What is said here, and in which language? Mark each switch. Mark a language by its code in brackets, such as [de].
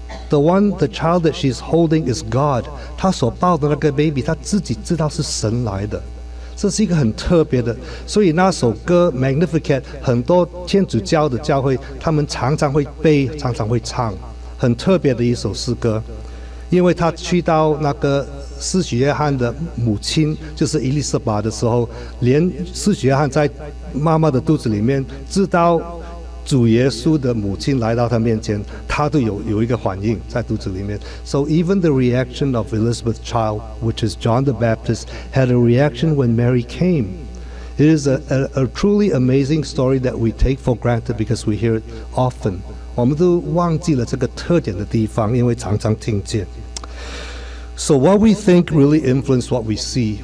[en] The one, the child that she's holding is God. [zh] 她所抱的那个 baby, 她自己知道是神来的。这是一个很特别的，所以那首歌 Magnificat 很多天主教的教会，他们常常会背，常常会唱，很特别的一首诗歌。因为他去到那个施洗约翰的母亲，就是伊丽莎白的时候，连施洗约翰在妈妈的肚子里面，知道主耶稣的母亲来到他面前，他都有一个反应在肚子里面。 [en] So even the reaction of Elizabeth's child, which is John the Baptist, had a reaction when Mary came. It is a truly amazing story that we take for granted because we hear it often. [zh] 我们都忘记了这个特点的地方，因为常常听见。 [en] So what we think really influences what we see.